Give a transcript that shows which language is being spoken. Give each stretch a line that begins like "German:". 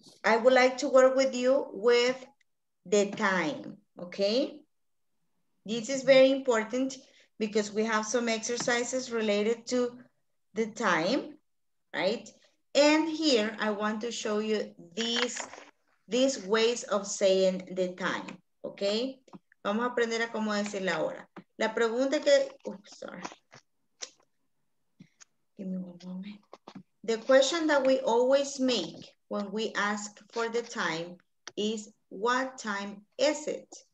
English: I would like to work with you with the time, okay? This is very important because we have some exercises related to the time, right? And here, I want to show you these ways of saying the time, okay?
Spanish: Vamos a aprender a cómo decir la hora. La pregunta que...
English: Oops, sorry. Give me one moment. The question that we always make when we ask for the time is, what time is it?